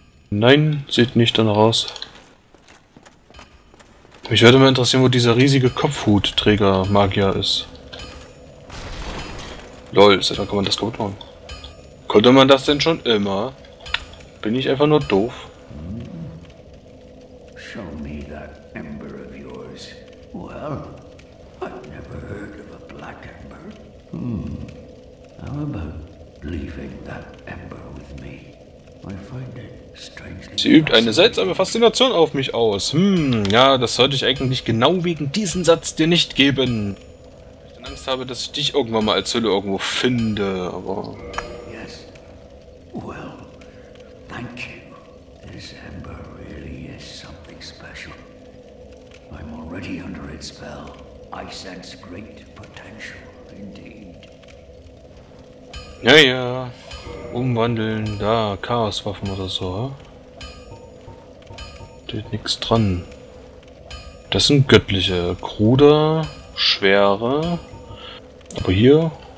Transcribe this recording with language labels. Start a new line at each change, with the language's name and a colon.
German: Nein, sieht nicht danach aus. Mich würde mal interessieren, wo dieser riesige Kopfhutträger-Magier ist. Lol, seit wann kann man das kaputt machen? Konnte man das denn schon immer? Bin ich einfach nur doof?
English: Show me that ember of yours. Well, I've never heard of a black ember. How about leaving that ember with me? I find it strangely.
German: Sie übt eine seltsame Faszination auf mich aus. Ja, das sollte ich eigentlich genau wegen diesem Satz dir nicht geben. Ich habe Angst, dass ich dich irgendwann mal als Hülle irgendwo finde, aber.
English: Well, thank you. This ember really is something special. I'm already under its spell. I sense great potential indeed.
German: Ja, ja. Umwandeln, da, Chaoswaffen oder so. Steht nichts dran. Das sind göttliche, krude, schwere. Aber hier.